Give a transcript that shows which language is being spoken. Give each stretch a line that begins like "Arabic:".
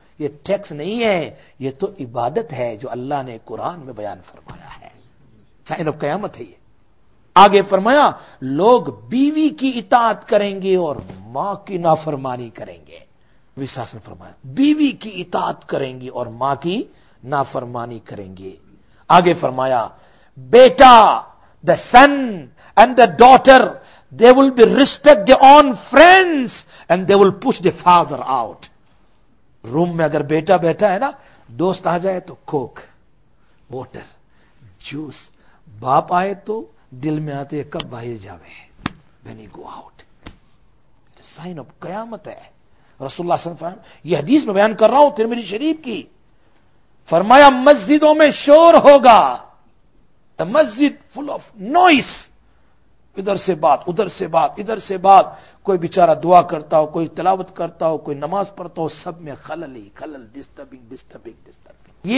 Urdu: یہ ٹیکس نہیں ہے, یہ تو عبادت ہے جو اللہ نے قرآن میں بیان فرمایا ہے, سائن آف قیامت ہے یہ. آگے فرمایا لوگ بیوی کی اطاعت کریں گے اور ماں کی نافرمانی کریں گے. وساس نے فرمایا بیوی کی اطاعت کریں گے اور ماں کی نافرمانی کریں گے. آگے فرمایا بیٹا,
English: The son and the daughter, they will be respect their own friends and they will push the father out.
Urdu: روم میں اگر بیٹا بیٹھا ہے نا, دوست آ جائے تو کوک, واٹر, جوس, باپ آئے تو دل میں آتے کب باہر جاوے,
English: when he go out,
Urdu: sign of قیامت ہے. رسول اللہ صلی اللہ علیہ وسلم, یہ حدیث میں بیان کر رہا ہوں ترمذی شریف کی, فرمایا مسجدوں میں شور ہوگا,
English: the masjid full of noise,
Urdu: ادھر سے بات ادھر سے بات ادھر سے بات, کوئی بیچارہ دعا کرتا ہو, کوئی تلاوت کرتا ہو, کوئی نماز پڑھتا ہو, سب میں خلل ہی خلل, ڈسٹربنگ ڈسٹربنگ ڈسٹربنگ.